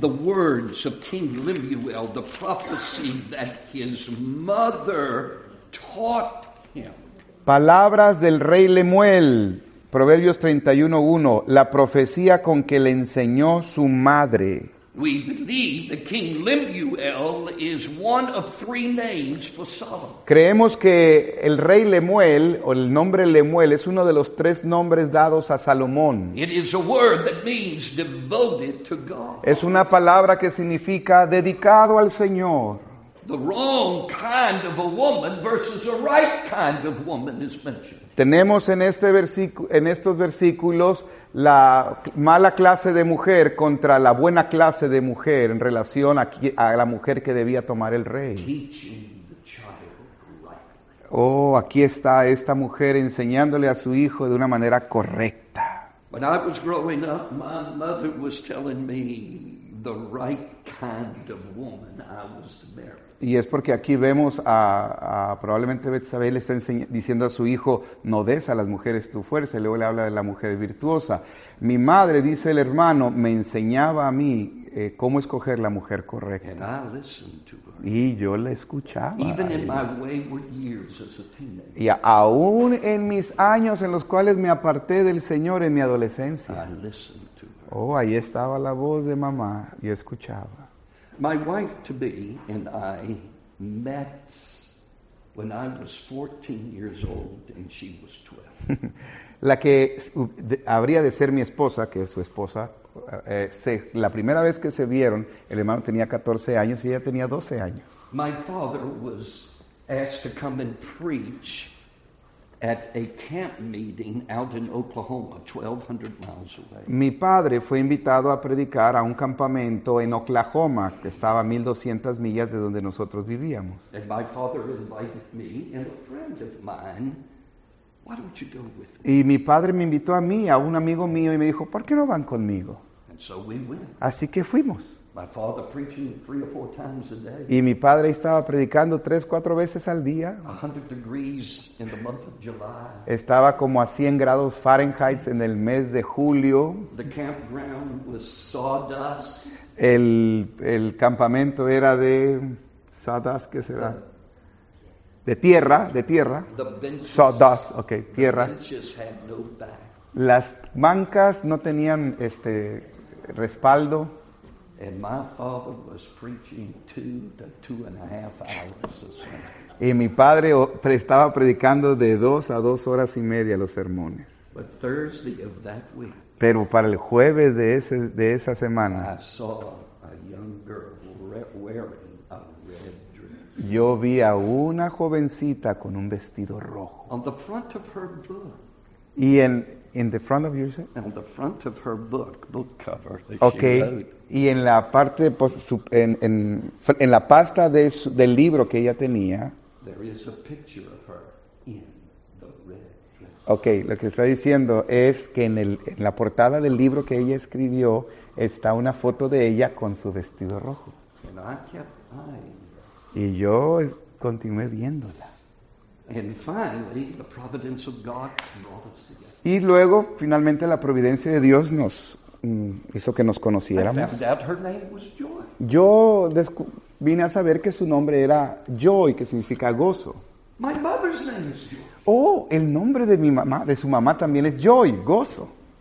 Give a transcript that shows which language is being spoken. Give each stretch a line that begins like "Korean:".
English: the words of King Lemuel, the prophecy that his mother taught him.
Spanish: Palabras del rey Lemuel, Proverbios 31:1, la profecía con que le enseñó su madre.
English: We believe that King Lemuel is one of three names for Solomon.
Spanish: Creemos que el rey Lemuel, o el nombre Lemuel, es uno de los tres nombres dados a Salomón.
English: It is a word that means devoted to God.
Spanish: Es una palabra que significa dedicado al Señor.
English: The wrong kind of a woman versus the right kind of woman is mentioned.
Spanish: Tenemos en este en estos versículos la mala clase de mujer contra la buena clase de mujer en relación a la mujer que debía tomar el rey. Oh, aquí está esta mujer enseñándole a su hijo de una manera correcta.
English: When I was growing up, my mother was telling me the right kind of woman I was to marry.
Spanish: Y es porque aquí vemos a probablemente Betsabé le está diciendo a su hijo, no des a las mujeres tu fuerza. Y luego le habla de la mujer virtuosa. Mi madre, dice el hermano, me enseñaba a mí cómo escoger la mujer correcta.
English: And I listened to her.
Spanish: Y yo la escuchaba.
English: Even in my wayward years as a teenager.
Spanish: Y aún en mis años en los cuales me aparté del Señor en mi adolescencia.
English: I listened to her.
Spanish: Oh, ahí estaba la voz de mamá, yo escuchaba.
English: My wife to be and I met when I was 14 years old and she was 12.
Spanish: La que habría de ser mi esposa, que es su esposa, la primera vez que se vieron, el hermano tenía 14 años y ella tenía 12 años.
English: My father was asked to come and preach at a camp meeting out in Oklahoma, 1,200 miles away.
Spanish: Mi padre fue invitado a predicar a un campamento en Oklahoma, que estaba a 1,200 millas de donde nosotros vivíamos.
English: And my father invited me and a friend of mine. Why don't you go with me?
Spanish: Y mi padre me invitó a mí, a un amigo mío, y me dijo, ¿por qué no van conmigo?
English: And so we went.
Spanish: Así que fuimos.
English: My father preaching three or four times a day.
Spanish: Y mi padre estaba predicando 3-4 veces al día.
English: 100 degrees in the month of July.
Spanish: Estaba como a 100 grados Fahrenheit en el mes de julio.
English: The campground was sawdust.
Spanish: El campamento era de sawdust, ¿qué será? De tierra.
English: The benches,
Spanish: sawdust, okay, tierra.
English: The benches had no back.
Spanish: Las bancas no tenían respaldo.
English: And my father was preaching 2 to 2.5 hours a sermon.
Spanish: Y mi padre estaba predicando de 2 a 2.5 horas los sermones.
English: But Thursday of that week.
Spanish: Pero para el jueves de esa semana.
English: I saw a young girl wearing a red dress.
Spanish: Yo vi a una jovencita con un vestido rojo.
English: On the front of her book. Y in the front of your set? On the front of her book cover. Okay. She wrote.
Spanish: Y en la parte en la pasta de del libro que ella tenía.
English: There is a picture of her in the red dress.
Spanish: Okay, lo que está diciendo es que en la portada del libro que ella escribió está una foto de ella con su vestido rojo.
English: And I kept eyeing.
Spanish: Y yo continué viéndola.
English: And finally, the providence of God brought us together.
Spanish: Y luego finalmente la providencia de Dios nos hizo que nos conociéramos. Yo vine a saber que su nombre era Joy, que significa gozo.
English: My mother's name is Joy.
Spanish: Oh, el nombre de mi mamá, de su mamá también es Joy, gozo.